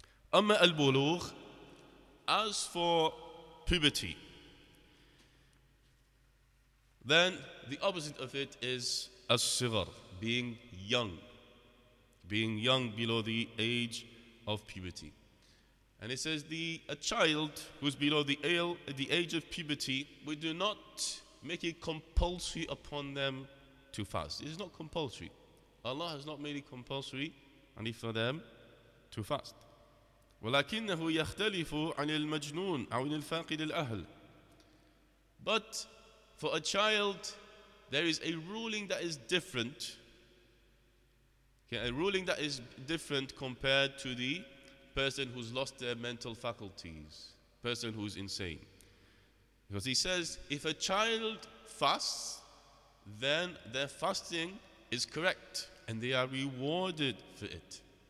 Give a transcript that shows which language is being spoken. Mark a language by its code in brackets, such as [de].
[ar] Amma al-bulugh, [en] as for puberty, then the opposite of it is as-sighar, being young below the age of puberty. And it says a child who's below the age of puberty, we do not make it compulsory upon them to fast. It is not compulsory. Allah has not made it compulsory and for them to fast. [ar] ولكنه يختلف عن المجنون أو الفاقد الأهل. [en] But for a child, there is a ruling that is different. Okay, a ruling that is different compared to the person who's lost their mental faculties, person who's insane. Because he says, if a child fasts, then their fasting is correct and they are rewarded for it.